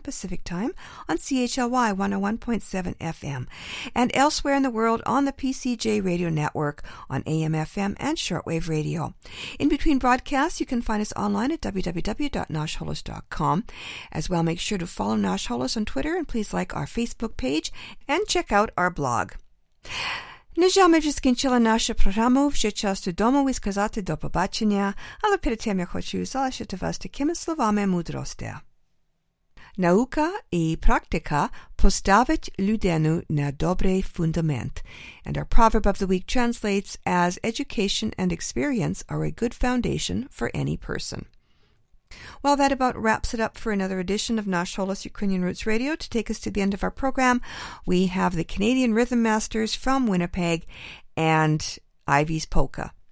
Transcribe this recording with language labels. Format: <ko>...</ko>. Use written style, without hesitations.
<en>Pacific Time on CHLY 101.7 FM, and elsewhere in the world on the PCJ Radio Network on AM, FM, and shortwave radio. In between broadcasts, you can find us online at www.nashholos.com. As well, make sure to follow Nash Holos on Twitter, and please like our Facebook page and check out our blog.</en> <uk>Нежа ми вже скінчила нашу програму. Вже час додому і сказати до побачення. Але перед тим я хочу залишити вас такими словами мудрості. Наука і практика поставить людину на добрий фундамент.</uk> <en>And our proverb of the week translates as education and experience are a good foundation for any person. Well, that about wraps it up for another edition of Nash Holos Ukrainian Roots Radio. To take us to the end of our program, we have the Canadian Rhythm Masters from Winnipeg and Ivy's Polka.</en>